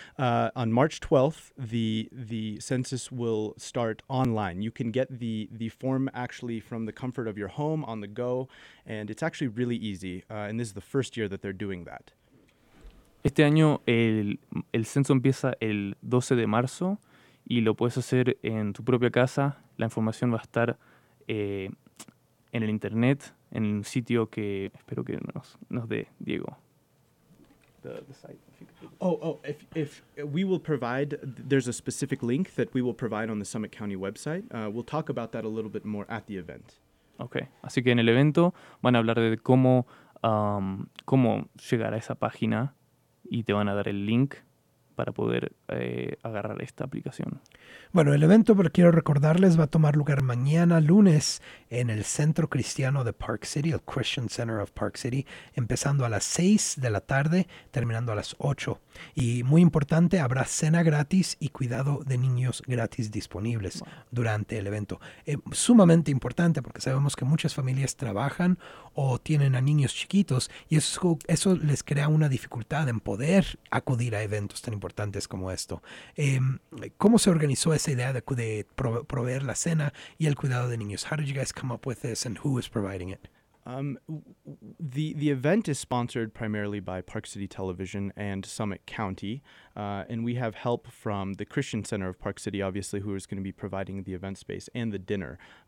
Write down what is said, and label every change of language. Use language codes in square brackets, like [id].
[en] On March 12th, the census will start online. You can get the form actually from the comfort of your home on the go, and it's actually really easy. And this is the first year that they're doing that. [es] Este año el censo empieza el 12 de marzo y lo puedes hacer en tu propia casa. La información va a estar en el internet, en un sitio que espero que nos dé Diego. [en] The site. If we will provide, there's a specific link that we will provide on the Summit County website. We'll talk about that a little bit more at the event. [es] Okay, así que en el evento van a hablar de cómo llegar a esa página y te van a dar el link para poder agarrar esta aplicación. Bueno, el evento, pero quiero recordarles, va a tomar lugar mañana lunes en el Centro Cristiano de Park City, el Christian Center of Park City, empezando a las 6 de la tarde, terminando a las 8. Y muy importante, habrá cena gratis y cuidado de niños gratis disponibles durante el evento. Sumamente importante porque sabemos que muchas familias trabajan o tienen a niños chiquitos y eso les crea una dificultad en poder acudir a eventos tan importantes como esto. ¿Cómo se organizó esa idea de proveer la cena y el cuidado de niños? [en] How did you guys come up with this and who is providing it? The event is sponsored primarily by Park City Television and Summit County, and we have help from the Christian Center of Park City, obviously, who is going to be providing the event space and the dinner.